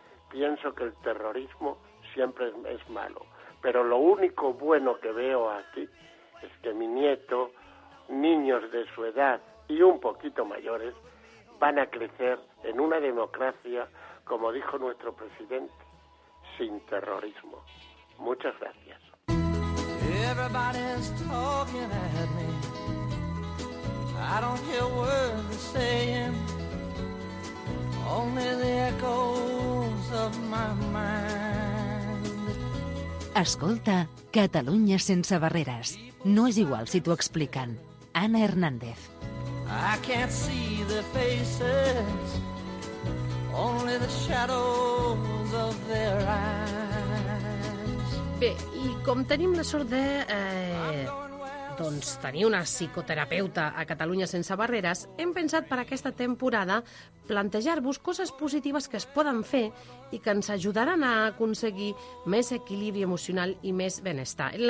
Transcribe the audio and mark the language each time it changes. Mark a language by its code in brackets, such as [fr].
[es] Pienso que el terrorismo siempre es malo, pero lo único bueno que veo aquí es que mi nieto, niños de su edad y un poquito mayores, van a crecer en una democracia, como dijo nuestro presidente, sin terrorismo. Muchas gracias. [en] Everybody's talking at me. I don't hear words they're saying. Only the echoes of my mind. [ca] Escolta, Catalunya sense barreres. No és igual si t'ho expliquen. [en] Anna Hernández. I can't see the faces. Only the shadows of their eyes. [ca] Bé, i com tenim la sort de doncs tenir una psicoterapeuta a Catalunya sense barreres, hem pensat per aquesta temporada plantejar-vos coses positives que es poden fer i que ens ajudaran a aconseguir més equilibri emocional i més benestar.